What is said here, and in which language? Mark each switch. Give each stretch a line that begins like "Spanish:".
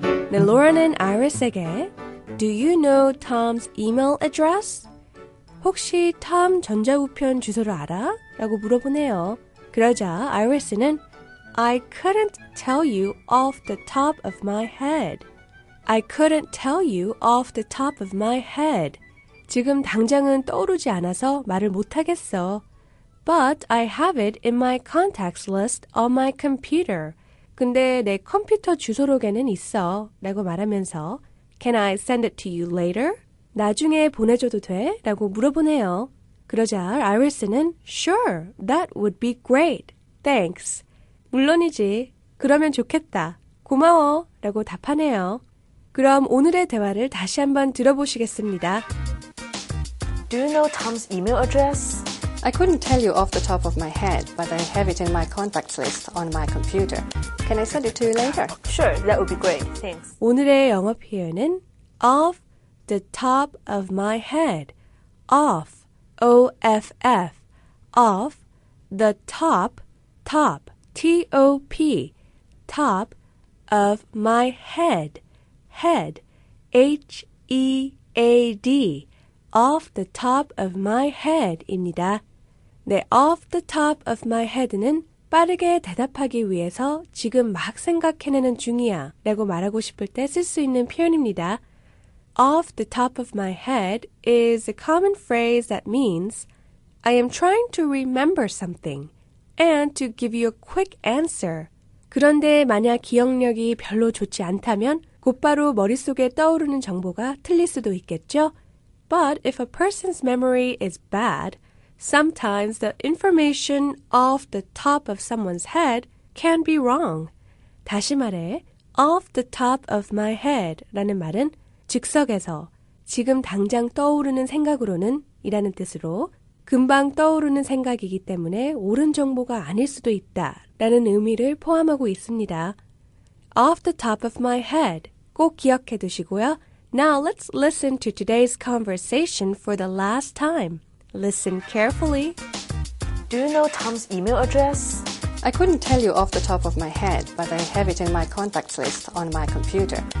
English: 네, Lauren은 Iris에게 Do you know Tom's email address?
Korean: 혹시 Tom 전자우편 주소를 알아? 라고 물어보네요. 그러자
English: Iris는 I couldn't tell you off the top of my head. I couldn't tell you off the top of my head.
Korean: 지금 당장은 떠오르지 않아서 말을 못하겠어.
English: But I have it in my contacts list on my computer.
Korean: 근데 내 컴퓨터 주소록에는 있어. 라고 말하면서
English: Can I send it to you later?
Korean: 나중에 보내줘도 돼? 라고 물어보네요. 그러자 아이리스는
English: Sure, that would be great. Thanks.
Korean: 물론이지. 그러면 좋겠다. 고마워. 라고 답하네요. 그럼 오늘의 대화를 다시 한번 들어보시겠습니다.
English: Do you know Tom's email address? I couldn't tell you off the top of my head, but I have it in my contacts list on my computer. Can I send it to you later? Sure, that would be great. Thanks.
Korean: 오늘의 영어 표현은
English: off the top of my head. Off, O-F-F. Off the top, top, T-O-P. Top of my head. Head, H-E-A-D.
Korean: Off the top of my head입니다. 네,
English: off the top of my head
Korean: 는 빠르게 대답하기 위해서 지금 막 생각해내는 중이야 라고 말하고 싶을 때 쓸 수 있는 표현입니다.
English: Off the top of my head is a common phrase that means I am trying to remember something and to give you a quick answer.
Korean: 그런데 만약 기억력이 별로 좋지 않다면 곧바로 머릿속에 떠오르는 정보가 틀릴 수도 있겠죠?
English: But if a person's memory is bad, sometimes the information off the top of someone's head can be wrong.
Korean: 다시 말해,
English: off the top of my head
Korean: 라는 말은 즉석에서 지금 당장 떠오르는 생각으로는 이라는 뜻으로 금방 떠오르는 생각이기 때문에 옳은 정보가 아닐 수도 있다라는 의미를 포함하고 있습니다.
English: Off the top of my head
Korean: 꼭 기억해 두시고요.
English: Now let's listen to today's conversation for the last time. Listen carefully. Do you know Tom's email address? I couldn't tell you off the top of my head, but I have it in my contacts list on my computer.